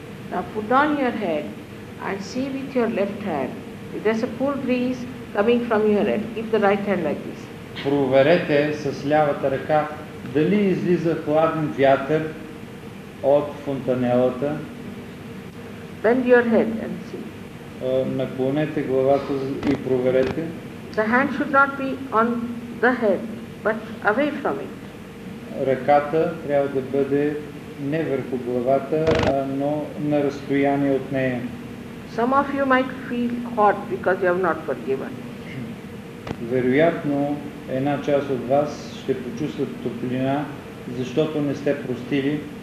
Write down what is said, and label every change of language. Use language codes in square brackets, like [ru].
[en] Now put down your head and see with your left hand. If there's a cool breeze coming from your head, keep the right hand like this. [bg] Проверете с лявата ръка дали излиза хладен вятър от фонтанелата. [en] Bend your head and see. [bg] Наклонете главата и проверете. [en] The hand should not be on the head, but away from it. [bg] Ръката трябва да бъде не върху главата, но на разстояние от нея. [en] Some of you might feel hot because you have not forgiven. [bg] Вероятно, една част от вас ще почувстват топлина, защото не сте простили.